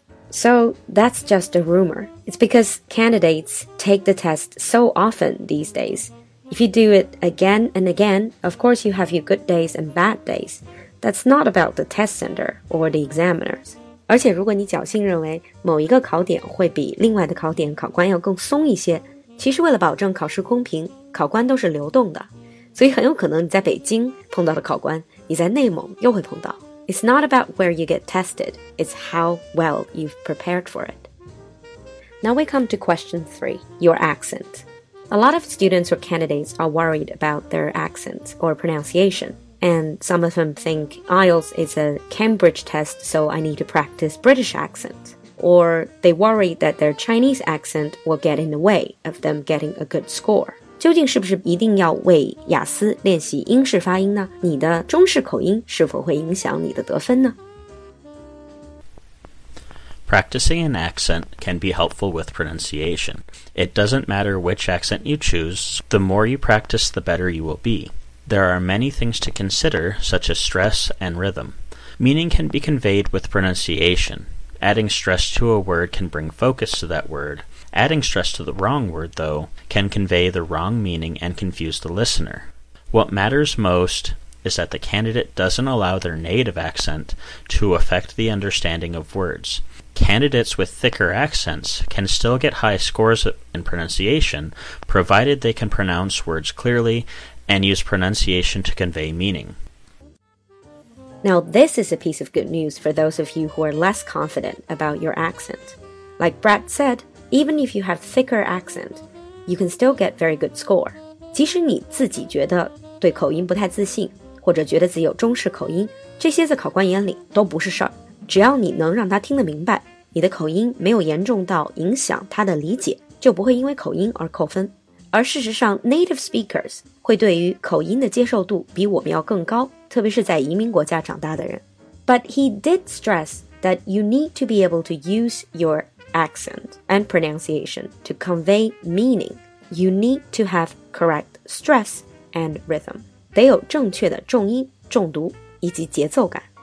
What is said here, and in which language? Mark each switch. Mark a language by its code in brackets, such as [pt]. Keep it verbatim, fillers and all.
[en] So that's just a rumor. It's because candidates take the test so often these days. If you do it again and again, of course you have your good days and bad days. That's not about the test center or the examiners. [zh] 而且如果你侥幸认为某一个考点会比另外的考点考官要更松一些，其实为了保证考试公平，考官都是流动的。所以很有可能你在北京碰到的考官，你在内蒙又会碰到。 [en] It's not about where you get tested, it's how well you've prepared for it. Now we come to question three, your accent. A lot of students or candidates are worried about their accent or pronunciation, and some of them think I E L T S is a Cambridge test, so I need to practice British accent. Or they worry that their Chinese accent will get in the way of them getting a good score. [zh] 究竟是不是一定要为雅思练习英式发音呢？你的中式口音是否会影响你的得分呢？ [en] Practicing an accent can be helpful with pronunciation. It doesn't matter which accent you choose. The more you practice, the better you will be. There are many things to consider, such as stress and rhythm. Meaning can be conveyed with pronunciation. Adding stress to a word can bring focus to that word. Adding stress to the wrong word, though, can convey the wrong meaning and confuse the listener. What matters most is that the candidate doesn't allow their native accent to affect the understanding of words. Candidates with thicker accents can still get high scores in pronunciation, provided they can pronounce words clearly and use pronunciation to convey meaning. Now, this is a piece of good news for those of you who are less confident about your accent. Like Brad said,Even if you have thicker accent, you can still get very good score. [zh] 即使你自己觉得对口音不太自信，或者觉得自己有中式口音，这些在考官眼里都不是事儿。只要你能让他听得明白，你的口音没有严重到影响他的理解，就不会因为口音而扣分。而事实上 ，native speakers 会对于口音的接受度比我们要更高，特别是在移民国家长大的人。 [en] But he did stress that you need to be able to use your accent and pronunciation to convey meaning. You need to have correct stress and rhythm. [zh] 得有正确的重音、重读以及节奏感。